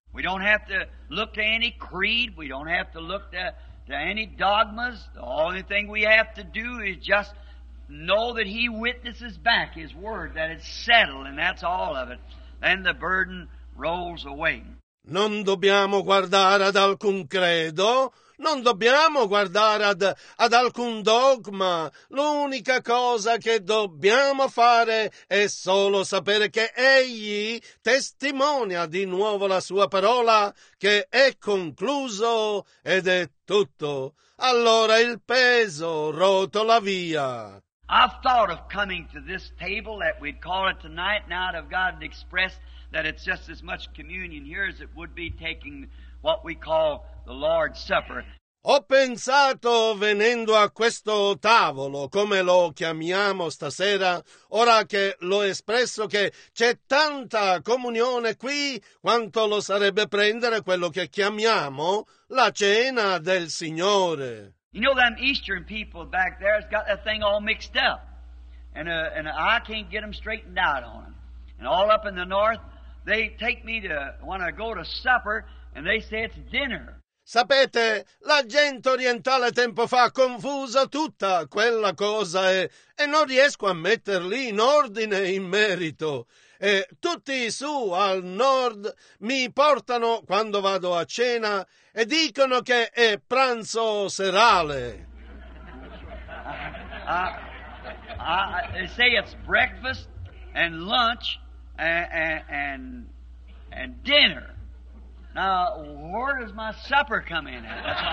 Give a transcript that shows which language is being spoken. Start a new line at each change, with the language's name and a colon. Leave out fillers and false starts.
English: We don't have to look to any creed, we don't have to look to any dogmas. The only thing we have to do is just know that he witnesses back his word, that it's settled, and that's all of it. Then the burden rolls away.
Italian: Non dobbiamo guardare ad alcun credo, Non dobbiamo guardare ad alcun dogma. L'unica cosa che dobbiamo fare è solo sapere che Egli testimonia di nuovo la sua parola, che è concluso ed è tutto. Allora il peso rotola via.
English: I've thought of coming to this table that we'd call it tonight, now that God expressed that it's just as much communion here as it would be taking what we call the Lord's Supper.
Italian: Ho pensato, venendo a questo tavolo, come lo chiamiamo stasera, ora che l'ho espresso, che c'è tanta comunione qui quanto lo sarebbe prendere quello che chiamiamo la cena del Signore.
English: You know, them Eastern people back there has got that thing all mixed up. And I can't get them straightened out on them. And all up in the North, they take me to, when I go to supper, and they say it's dinner.
Italian: Sapete, la gente orientale tempo fa confusa tutta quella cosa e non riesco a metterli in ordine in merito. E tutti su al nord mi portano quando vado a cena e dicono che è pranzo serale.
English: They say it's breakfast and lunch and dinner. Now, where does my supper come in at?